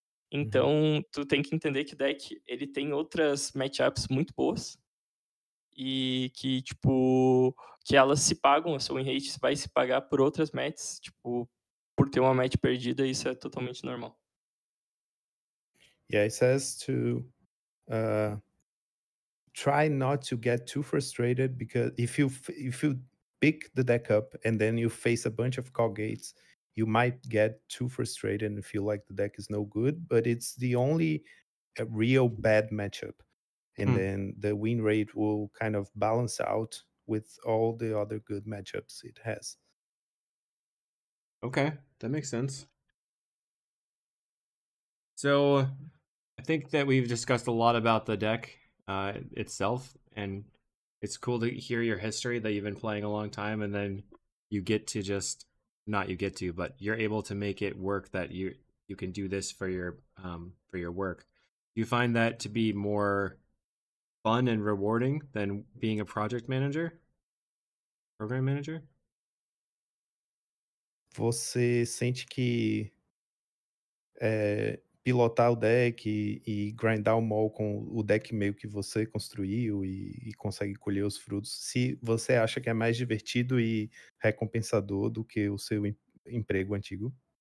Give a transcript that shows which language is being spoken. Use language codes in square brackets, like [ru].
[pt] Então, tu tem que entender que o deck ele tem outras matchups muito boas e que, tipo, que elas se pagam, a sua winrate vai se pagar por outras matches, tipo, por ter uma match perdida, isso é totalmente normal. [en] Yeah, it says to try not to get too frustrated, because if you pick the deck up and then you face a bunch of call gates, you might get too frustrated and feel like the deck is no good, but it's the only real bad matchup. And then the win rate will kind of balance out with all the other good matchups it has. Okay, that makes sense. So I think that we've discussed a lot about the deck itself, and it's cool to hear your history that you've been playing a long time, and then you get to just not you get to, but you're able to make it work that you can do this for your work. Do you find that to be more fun and rewarding than being a project manager, program manager? [pt] Você sente que pilotar o deck e grindar o mall com o deck meio que você construiu e consegue colher os frutos, se você acha que é mais divertido e recompensador do que o seu emprego antigo?